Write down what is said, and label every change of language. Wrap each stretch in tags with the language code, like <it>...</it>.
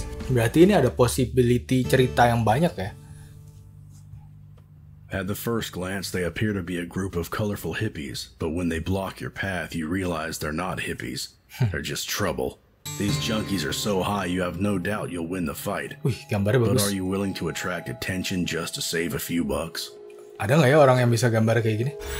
<id>Berarti ini ada possibility cerita yang banyak ya?</id> <en>At the first glance, they appear to be a group of colorful hippies, but when they block your path, you realize they're not hippies. They're just trouble. These junkies are so high, you have no doubt you'll win the fight.</en> <id>Wih, gambarnya bagus.</id> <en>But are you willing to attract attention just to save a few bucks?</en> <id>Ada nggak ya orang yang bisa gambar kayak gini?</id>